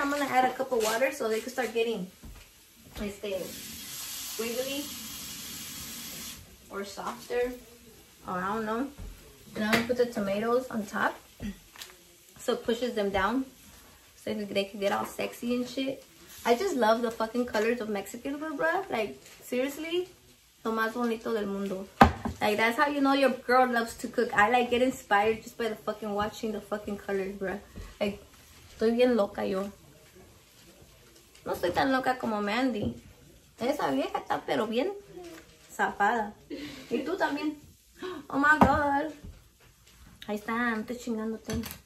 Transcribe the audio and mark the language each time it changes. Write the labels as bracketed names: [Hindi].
[English] I'm going to add a cup of water so they can start getting this thing wiggly or softer. Or I don't know. And I'm going to put the tomatoes on top so it pushes them down so they can get all sexy and shit. I just love the fucking colors of Mexican food, bruh. Like, seriously, [Spanish] lo más bonito del mundo. [English] Like, that's how you know your girl loves to cook. I, like, get inspired just by the fucking watching the fucking colors, bruh. [Spanish] Like, estoy bien loca yo. No soy tan loca como Mandy. Esa vieja está pero bien zafada. Y tú también. [English] Oh, my God. [Spanish] Ahí está, no estoy chingándote.